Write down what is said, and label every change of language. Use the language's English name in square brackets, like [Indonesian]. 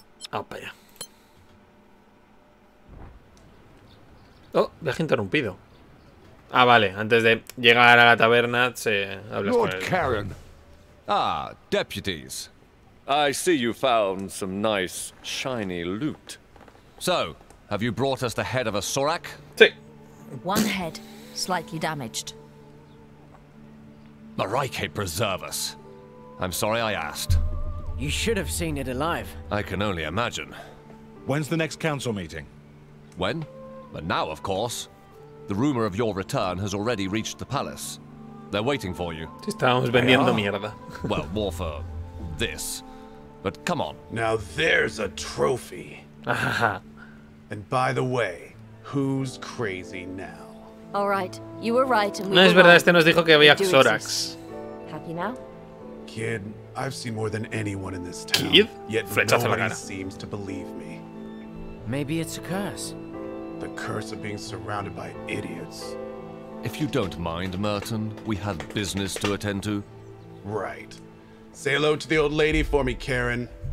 [Spanish] Vamos para allá. Oh, viaje interrumpido. Ah, vale. Antes de llegar a la taberna, se habla con él. [English] Lord Karen. Ah, deputies. I see you found some nice, shiny loot. So, have you brought us the head of a Sorak? [Spanish] Sí. [English] One head, slightly damaged. Marike, preserve us. I'm sorry I asked. You should have seen it alive. I can only imagine. When's the next council meeting? When? But now, of course. The rumor of your return has already reached the palace. They're waiting for you. [Spanish] Estábamos vendiendo mierda. [English] Well, more for this. But come on. Now there's a trophy. And by the way, who's crazy now? All right, you were right. And [Spanish] no es verdad, este nos dijo que había Xorax. [English] Happy now? Kid, I've seen more than anyone in this town. Kid? Yet nobody seems to believe me. Maybe it's a curse. The curse of being surrounded by idiots. If you don't mind, Merton, we have business to attend to. Right. Say hello to the old lady for me, Karen.